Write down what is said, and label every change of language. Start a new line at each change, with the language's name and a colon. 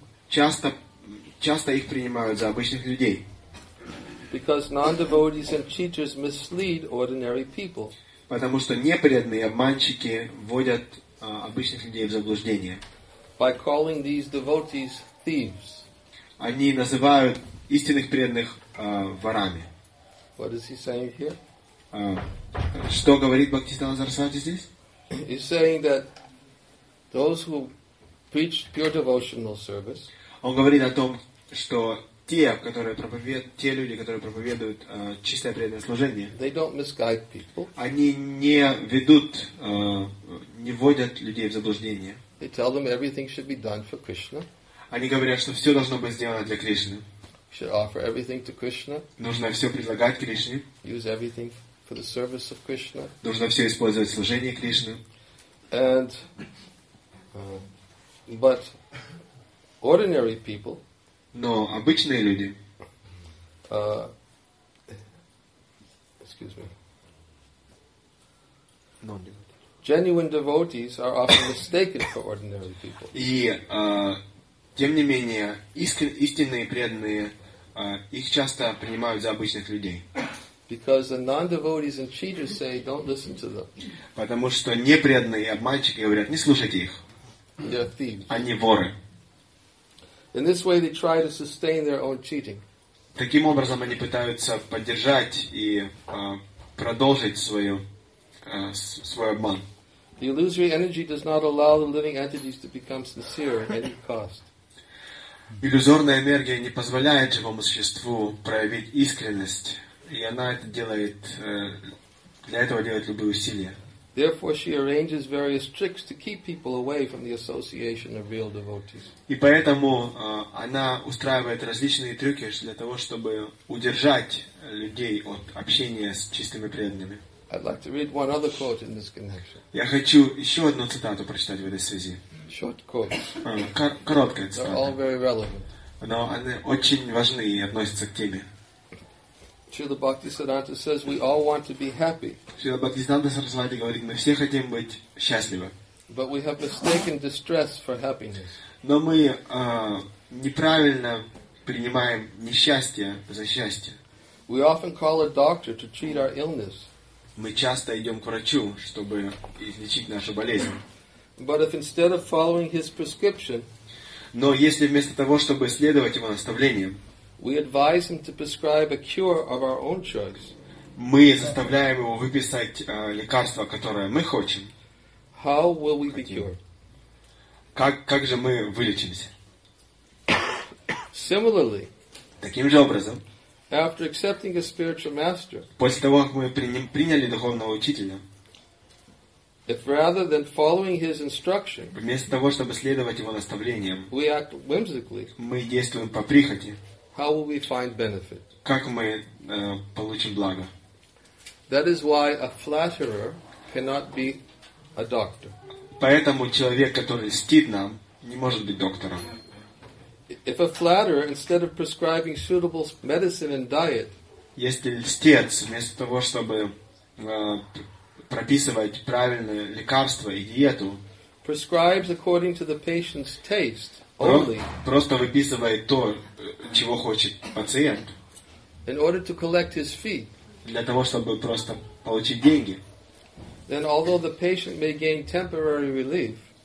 Russian: Часто их принимают за обычных людей.
English: Because non-devotees and cheaters mislead ordinary people.
Russian: Потому что непреданные обманщики вводят обычных людей в заблуждение.
English: By calling these devotees thieves.
Russian: Они называют истинных преданных ворами.
English: What is he saying here?
Russian: Что говорит Бхактисиддханта Сарасвати здесь?
English: He's saying that those who preach pure devotional service.
Russian: Он говорит о том, что те люди, которые проповедуют чистое преданное служение,
English: they don't misguide people.
Russian: Они не ведут, не вводят людей в заблуждение.
English: They tell them everything should be done for Krishna.
Russian: Они говорят, что все должно быть сделано для Кришны.
English: Should offer everything to Krishna.
Russian: Нужно все предлагать Кришне.
English: Use everything for the service of Krishna.
Russian: Нужно все использовать в служении Кришне.
English: And, but ordinary people.
Russian: Но обычные люди.
English: Excuse me. Genuine devotees are often mistaken for ordinary people.
Russian: И тем не менее истинные преданные их часто принимают за обычных людей.
English: Because the non-devotees and cheaters say, "Don't listen to them."
Russian: Потому что непреданные обманщики говорят, не слушайте их.
English: They're thieves.
Russian: Они воры.
English: In this way, they try to sustain their own cheating.
Russian: Таким образом, они пытаются поддержать и продолжить свой обман.
English: The illusory energy does not allow the living entities to become sincere at any cost.
Russian: Иллюзорная энергия не позволяет живому существу проявить искренность, и она это делает для этого делает любые усилия.
English: Therefore, she arranges various tricks to keep people away from the association of real devotees.
Russian: И поэтому она устраивает различные трюки для того, чтобы удержать людей от общения с чистыми преданными.
English: I'd like to read one other quote in this connection.
Russian: Я хочу ещё одну цитату прочитать в этой связи.
English: Short quote.
Russian: Короткая цитата.
English: They're all very relevant.
Russian: Но они очень важны и относятся к теме.
English: Śrīla Bhaktisiddhānta says we all want to be happy.
Russian: Śrīla Bhaktisiddhānta Sarasvati говорит, мы все хотим быть счастливы.
English: But we have mistaken distress for happiness.
Russian: Но мы неправильно принимаем несчастье за счастье.
English: We often call a doctor to treat our illness.
Russian: Мы часто идём к врачу, чтобы излечить нашу болезнь.
English: But if instead of following his prescription,
Russian: но если вместо того, чтобы следовать его наставлениям,
English: we advise him to prescribe a cure of our own choice.
Russian: Мы заставляем его выписать лекарство, которое мы хотим.
English: How will we be cured?
Russian: Как же мы вылечимся?
English: Similarly,
Russian: таким же образом,
English: after accepting a spiritual master,
Russian: после того, как мы приняли духовного учителя,
English: if rather than following his instruction,
Russian: вместо того, чтобы следовать его наставлениям,
English: we act whimsically,
Russian: мы действуем по прихоти,
English: how will we find benefit?
Russian: Как мы получим благо?
English: That is why a flatterer cannot be a doctor.
Russian: Поэтому человек, который льстит нам, не может быть доктором.
English: If a flatterer, instead of prescribing suitable medicine and diet,
Russian: если льстец, вместо того, чтобы прописывать правильное лекарство и диету,
English: prescribes according to the patient's taste only,
Russian: просто выписывает то, чего хочет пациент,
English: in order to collect his fee,
Russian: для того, чтобы просто получить деньги,
English: then although the patient may gain temporary relief,